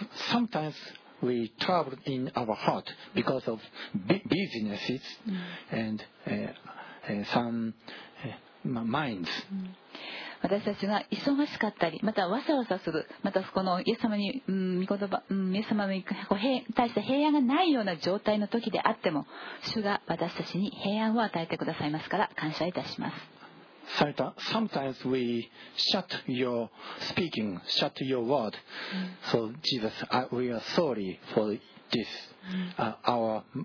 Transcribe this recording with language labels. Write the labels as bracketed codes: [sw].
[en] Sometimes we trouble in our heart because of businesses and some minds. [ja] 私たちが忙しかったり、またわさわさする、またこのイエス様に御言葉、イエス様に対して平安がないような状態の時であっても、主が私たちに平安を与えてくださいますから感謝いたします。 [en] Sometimes we shut your speaking, shut your word. So Jesus, we are sorry for this, our